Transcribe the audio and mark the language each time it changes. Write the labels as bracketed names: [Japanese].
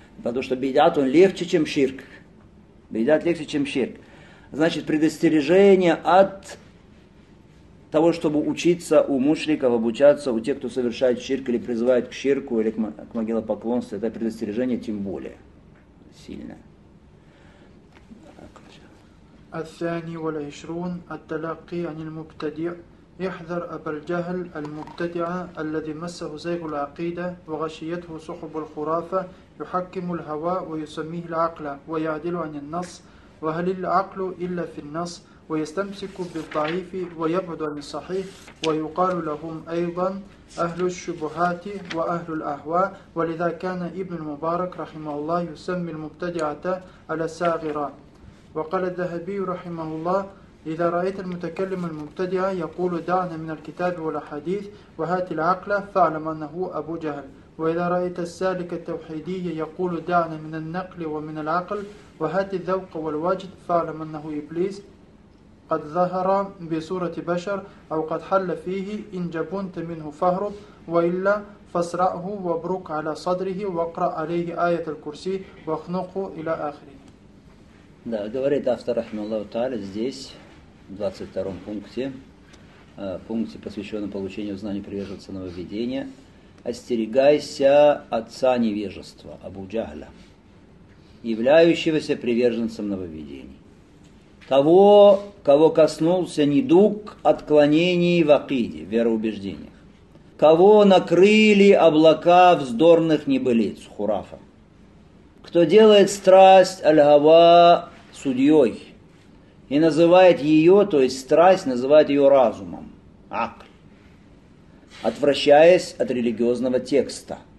[Russian] Потому что бедат он легче, чем ширк. Бедат легче, чем ширк. Значит, предостережение от того, чтобы учиться у мушриков, обучаться у тех, кто совершает ширк или призывает к ширку или к могилопоклонству, это предостережение тем более сильное. [Arabic] الثاني والعشرون التلقي عن المبتدع احذر أبا الجهل المبتدع الذي مسه زيغ العقيدة وغشيته صحب الخرافة يحكم الهوى ويسميه العقل ويعدل عن النص وهل العقل إلا في النص ويستمسك بالضعيف ويبعد عن الصحيح ويقال لهم أيضا أهل الشبهات وأهل الأهواء ولذا كان ابن المبارك رحمه الله يسمي المبتدعة الساغرة وقال الذهبي رحمه الله إذا رأيت المتكلم المبتدع يقول دعنا من الكتاب والحديث وهات العقل فاعلم أنه أبو جهل وإذا رأيت السالك التوحيدي يقول دعنا من النقل ومن العقل وهات الذوق والوجد فاعلم أنه إبليس قد ظهر بصورة بشر أو قد حل فيه إن جبنت منه فاهرب وإلا فاصرعه وابرك على صدره واقرأ عليه آية الكرسي واخنقه إلى آخره. [Russian] Да, говорит автор, рахмаллаху тааля, здесь, в 22-м пункте, пункте, посвященном получению знаний приверженца нововведения, «Остерегайся отца невежества, Абу Джахля, являющегося приверженцем нововведений, того, кого коснулся недуг отклонений в акиде, в вероубеждениях, кого накрыли облака вздорных небылиц, хурафа, кто делает страсть аль-хава судьей и называет ее, то есть страсть, называет ее разумом, акль, отвращаясь от религиозного текста.